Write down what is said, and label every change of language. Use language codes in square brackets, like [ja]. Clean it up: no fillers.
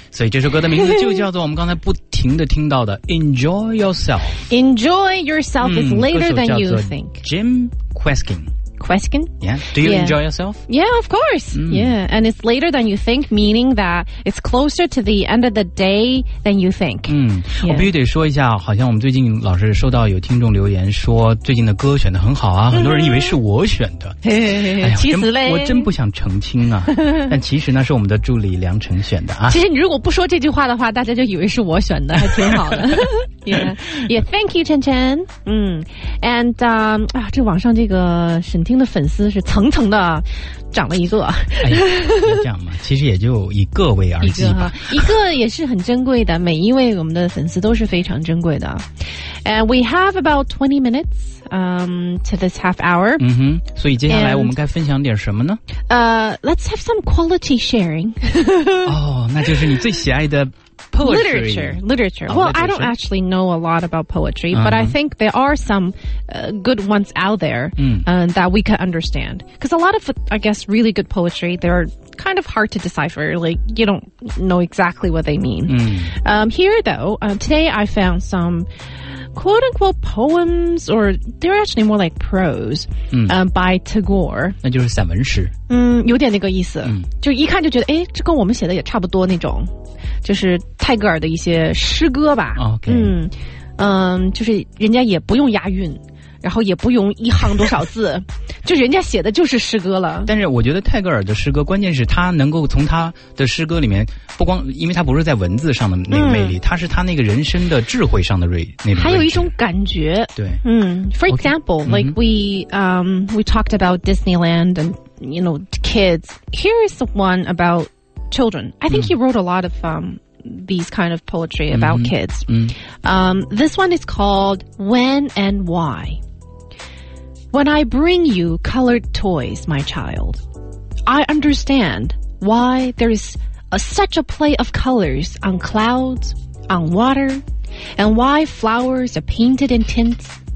[zh] 这首歌的名字就叫做我们刚才不停的听到的 Enjoy Yourself. [en] Enjoy Yourself is later than you think. Jim Queskin. Queskin? Yeah. Do you enjoy yourself? Yeah, of course. Yeah. And it's later than you think, meaning that it's closer to the end of the day than you think. [zh] 我必须得说一下，好像我们最近老是收到有听众留言说最近的歌选得很好啊，很多人以为是我选的。其实嘞，我真不想澄清啊。但其实呢，是我们的助理梁晨选的啊。其实你如果不说这句话的话，大家就以为是我选的，还挺好的。 [en] Yeah. Yeah, thank you, Chen Chen. [zh] And, 这网上这个沈听的粉丝是层层的涨了一个。哎呀，这样嘛，其实也就以个位而计吧。一个也是很珍贵的，每一位我们的粉丝都是非常珍贵的。 [en] And we have about 20 minutes, to this half hour. [zh] 所以接下来我们该分享点什么呢？ [en] Let's have some quality sharing. [zh] 哦，那就是你最喜爱的Poetry. [en] Literature. Well, I don't actually know a lot about poetry, but I think there are some good ones out there that we could understand. Because a lot of, I guess, really good poetry, they're kind of hard to decipher. Like, you don't know exactly what they mean. Here, though, today I found some quote-unquote poems, or they're actually more like prose、嗯 by Tagore. [zh] 那就是散文诗。嗯，有点那个意思。嗯，就一看就觉得，哎，这跟我们写的也差不多那种，就是泰戈尔的一些诗歌吧。 [en] OK。 [zh] 就是人家也不用押韵，然后也不用一行多少字，就人家写的就是诗歌了。但是我觉得泰戈尔的诗歌，关键是他能够从他的诗歌里面，不光因为他不是在文字上的那个魅力，他、是他那个人生的智慧上的锐，那还有一种感觉。对， [en] For example, okay, like we talked about Disneyland and you know kids. Here is one about children. I think he wrote a lot of these kind of poetry about kids. This one is called When and Why. When I bring you colored toys, my child, I understand why there is such a play of colors on clouds, on water, and why flowers are painted in tints.